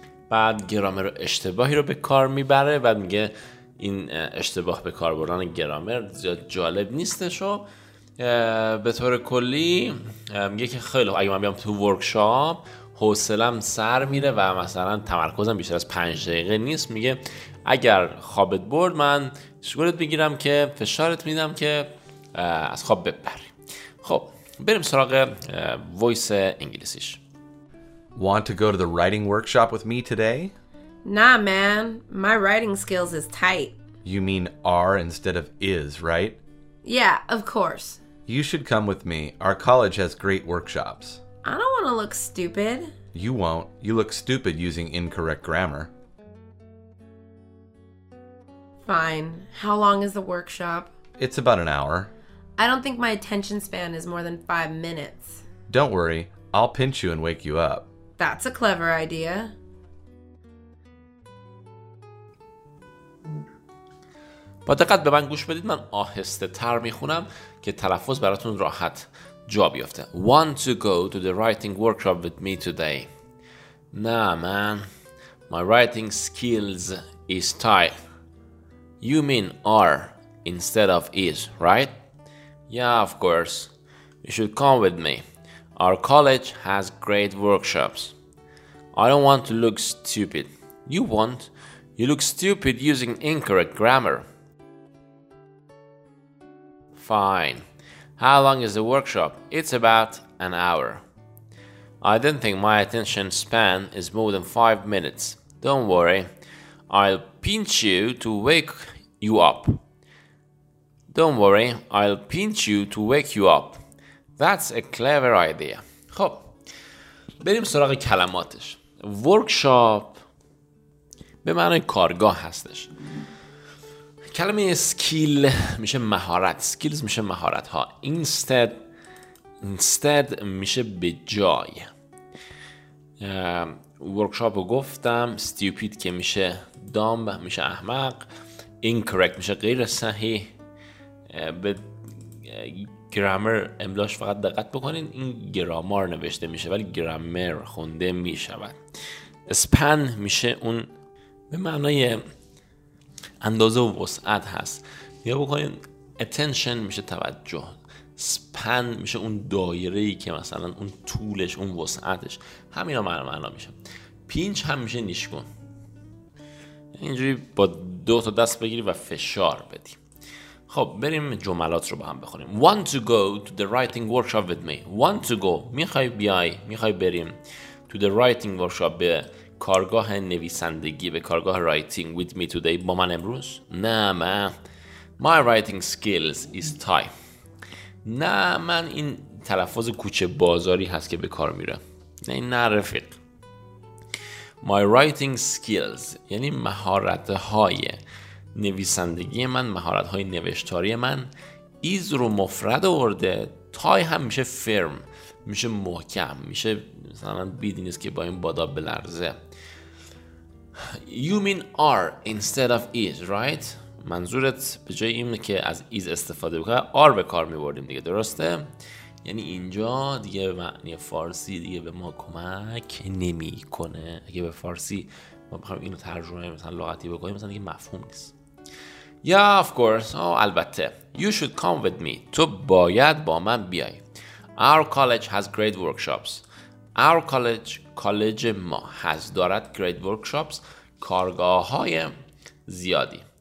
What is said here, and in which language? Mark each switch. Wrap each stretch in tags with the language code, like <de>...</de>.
<fa>بعد گرامر اشتباهی رو به کار میبره و میگه این اشتباه به کار بردن گرامر زیاد جالب نیستش و به طور کلی میگه که خیلی اگه من بیام تو ورکشاپ حوصله‌ام سر میره و مثلا تمرکزم بیشتر از 5 دقیقه نیست. میگه اگر خوابت برد من شکرت میگیرم که فشارت میدم که از خواب ببری. خب بریم سراغ وایس انگلیسیش.</fa> <en>Want to go to the writing workshop with me today? Nah, man. My writing skills is tight. You mean are instead of is, right? Yeah, of course. You should come with me. Our college has great workshops. I don't want to look stupid. You won't. You look stupid using incorrect grammar. Fine. How long is the workshop? It's about an hour. I don't think my attention span is more than 5 minutes. Don't worry. I'll pinch you and wake you up. That's a clever idea.</en> <fa>با دقت به من گوش بدید، من آهسته تر میخونم که تلفظ براتون راحت جا بیفته.</fa> <en>Want to go to the writing workshop with me today? Nah, man. My writing skills is tight. You mean are instead of is, right? Yeah, of course. You should come with me. Our college has great workshops. I don't want to look stupid. You won't. You look stupid using incorrect grammar. Fine. How long is the workshop? It's about an hour. I don't think my attention span is more than 5 minutes. Don't worry. I'll pinch you to wake you up. Don't worry. I'll pinch you to wake you up. That's a clever idea.</en> <fa>خب بریم سراغ کلماتش. ورکشاپ به معنی کارگاه هستش. کلمه سکیل میشه مهارت، سکیلز میشه مهارت ها، instead میشه به جای. ورکشاپ رو گفتم، stupid که میشه dumb میشه احمق، incorrect میشه غیر صحیح. به گرامر املاش فقط دقت بکنین، این گرامر نوشته میشه ولی گرامر خونده میشود. span میشه اون به معنای اندازه و وسعت هست. یه بکنین attention میشه توجه، span میشه اون دایره‌ای که مثلا اون طولش اون وسعتش، همینا معنا میشه. pinch هم میشه نیشکن، اینجوری با دو تا دست بگیری و فشار بدی. خب بریم جملات رو با هم بخونیم.</fa> <en>Want to go to the writing workshop with me. Want to go،</en> <fa>میخوای بیای، میخوای بریم.</fa> <en>To the writing workshop،</en> <fa>به کارگاه نویسندگی، به کارگاه</fa> <en>writing with me today،</en> <fa>با من امروز. نه من،</fa> <en>my writing skills is tight.</en> <fa>نه من، این تلفظ کوچه بازاری هست که به کار میره. نه نه رفیق، my writing skills یعنی مهارت های نویسندگی من، مهارت های نوشتاری من. ایز رو مفرد آورده، تای هم میشه فرم، میشه محکم، میشه مثلا بیدی نیست که با این بادا بلرزه.</fa> <en>You mean are instead of is, right؟</en> <fa>منظورت به جای این که از is استفاده بکنه are به کار میبردیم دیگه، درسته؟ یعنی اینجا دیگه به معنی فارسی دیگه به ما کمک نمی کنه. اگه به فارسی ما بخواهیم اینو ترجمه مثلا لغتی بکنیم مثلا دیگه مفهوم نیست.</fa> <en>Yeah, of course. Oh,</en> <fa>البته.</fa> <en>You should come with me.</en> <fa>تو باید با من بیای.</fa> <en>Our college has great workshops. Our college،</en> <fa>کالج ما، has، دارد</fa> <en>great workshops،</en> <fa>کارگاه های زیادی.</fa>